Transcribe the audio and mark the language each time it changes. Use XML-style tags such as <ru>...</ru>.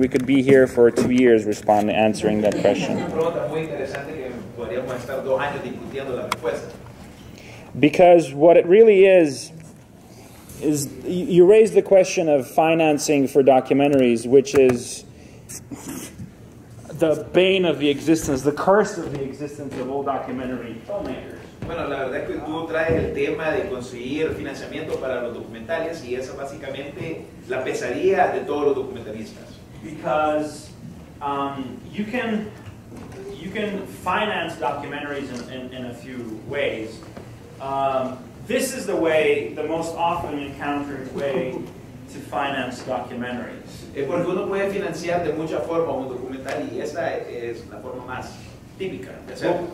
<en>We could be here for 2 years answering that question. Because what it really is you raise the question of financing for documentaries, which is the bane of the existence, the curse of the existence of all documentary filmmakers.</en> <es>Bueno, la verdad es que tú traes el tema de conseguir financiamiento para los documentales y esa básicamente la pesadilla de todos los documentalistas.</es> <en>Because you can finance documentaries in a few ways. This is the most often encountered way to finance documentaries.</en> <es>Es porque uno puede financiar de muchas formas un documental y esa es la forma más típica de hacerlo.</es>